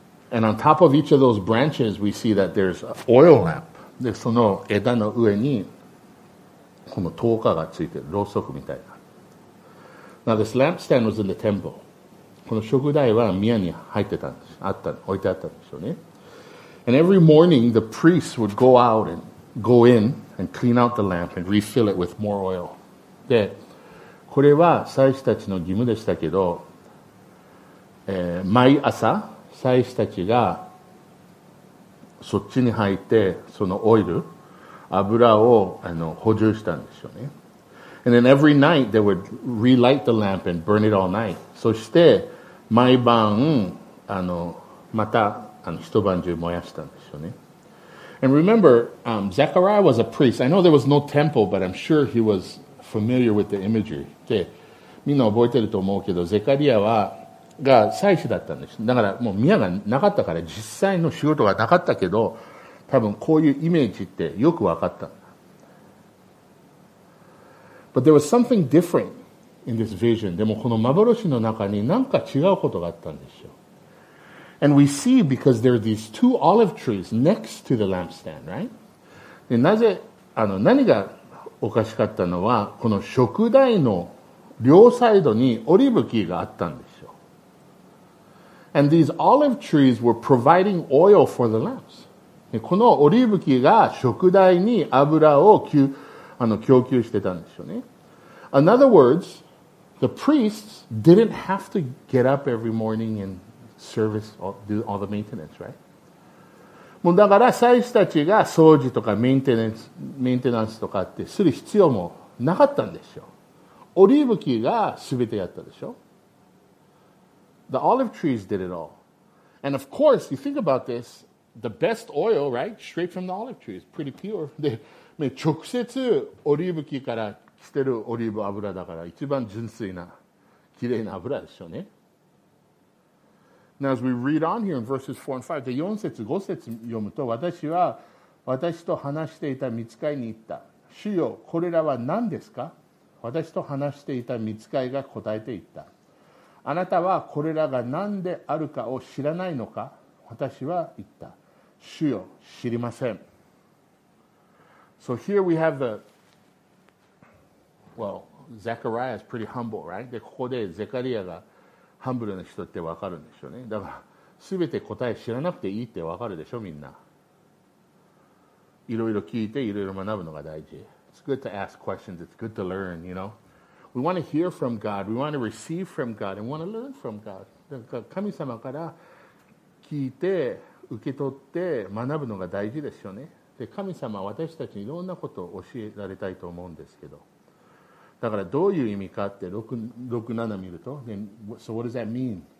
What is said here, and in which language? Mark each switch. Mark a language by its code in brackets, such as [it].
[en] And on top of each of those branches, we see that there's an oil lamp. [ja] でその枝の上にこの灯火がついてる、ろうそくみたいな。 [en] Now this lampstand was in the temple. [ja] この食材は宮に入ってたんです。あった、置いてあったんですよね。 [en] And every morning the priests would go out and go in and clean out the lamp and refill it with more oil. [ja] で、これは祭司たちの義務でしたけど、毎朝祭司たちがそっちに入ってそのオイル、油をあの補充したんですよね。 [en] And then every night they would relight the lamp and burn it all night. [ja] そして毎晩あのまたあの一晩中燃やしたんですよね。 [en] And remember, Zechariah was a priest. I know there was no temple, but I'm sure he was familiar with the imagery. [ja] で、みんな覚えてると思うけど、ゼカリアはが祭司だったんです。だからもう宮がなかったから実際の仕事がなかったけど、多分こういうイメージってよくわかった。 [en] But there was something different in this vision. [ja] でもこの幻の中に何か違うことがあったんですよ。 [en] And we see because there are these two olive trees next to the lampstand, right? [ja] で、なぜ、あの、何がおかしかったのは、この燭台の両サイドにオリーブ木があったんですよ。 [en] And these olive trees were providing oil for the lamps. [ja] で、このオリーブ木が燭台に油をあの供給してたんですよね。 [en] In other words, the priests didn't have to get up every morning and service all, do all the maintenance, right? [ja] もうだから祭司たちが掃除とかメンテナンスとかってする必要もなかったんでしょう。オリーブ木が全てやったでしょう。 [en] The olive trees did it all. And of course, you think about this, the best oil, right? Straight from the olive trees, pretty pure. [ja] で直接オリーブ木から来てるオリーブ油だから一番純粋な綺麗な油でしょうね。 Now as we read on here in verses 4 and 5, 4節5節読むと、私は私と話していた御使いに言った。主よ、これらは何ですか？私と話していた御使いが答えて言った。あなたはこれらが何であるかを知らないのか。私は言った。主よ、知りません。 [en] So here we have Zechariah is pretty humble, right? [ja] で、ここでゼカリアがハンブルな人ってわかるんでしょうね。だから、すべて答え知らなくていいってわかるでしょ、みんな。いろいろ聞いて、いろいろ学ぶのが大事。 [en] It's good to ask questions, it's good to learn, you know? We want to hear from God, we want to receive from God, and we want to learn from God. [ja] だから、神様から聞いて、受け取って、学ぶのが大事ですよね。で、神様は私たちにいろんなことを教えられたいと思うんですけど。だからどういう意味かって6、7見ると [en] Then, So what does that mean?